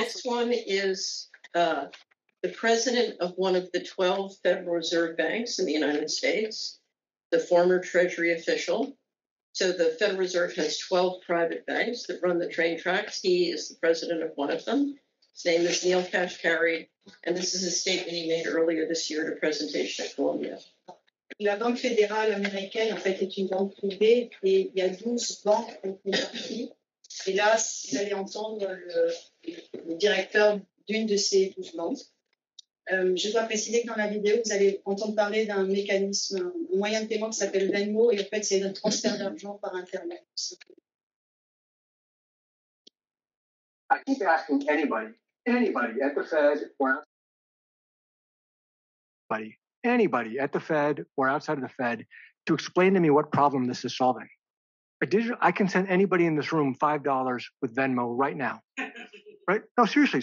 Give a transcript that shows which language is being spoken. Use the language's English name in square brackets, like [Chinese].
[English] The next one is the president of one of the 12 Federal Reserve Banks in the United States, the former Treasury official. So the Federal Reserve has 12 private banks that run the train tracks. He is the president of one of them. His name is Neil Kashkari, and this is a statement he made earlier this year at a presentation at Columbia. [French] La banque fédérale américaine en fait est une banque privée et il y a 12 banques en contrepartie. Et là, vous allez entendre le directeur d'une de ces 12 banques. Je dois préciser que dans la vidéo, vous allez entendre parler d'un mécanisme, un moyen de paiement qui s'appelle Venmo, et en fait, c'est un transfert d'argent par Internet. [English] I keep asking anybody at the Fed or outside, anybody at the Fed or outside of the Fed to explain to me what problem this is solving. I can send anybody in this room $5 with Venmo right now. Right? No, seriously.